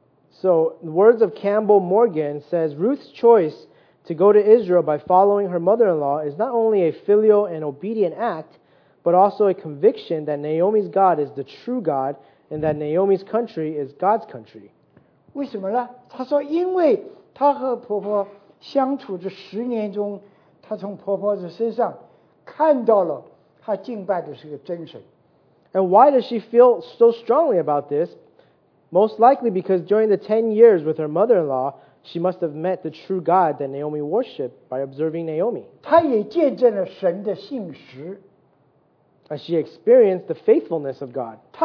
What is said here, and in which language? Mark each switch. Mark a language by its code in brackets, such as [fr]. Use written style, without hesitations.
[en] ？So the words of Campbell Morgan says Ruth's choice to go to Israel by following her mother-in-law is not only a filial and obedient act. But also a conviction that Naomi's God is the true God and that Naomi's country is God's country. [zh] 为什么呢? 她说因为她和婆婆相处这十年中, 她从婆婆的身上看到了她敬拜的是个真神。 [en] And why does she feel so strongly about this? Most likely because during the 10 years with her mother-in-law, she must have met the true God that Naomi worshipped by observing Naomi. [zh] 她也见证了神的信实。 [en] And she experienced the faithfulness of God.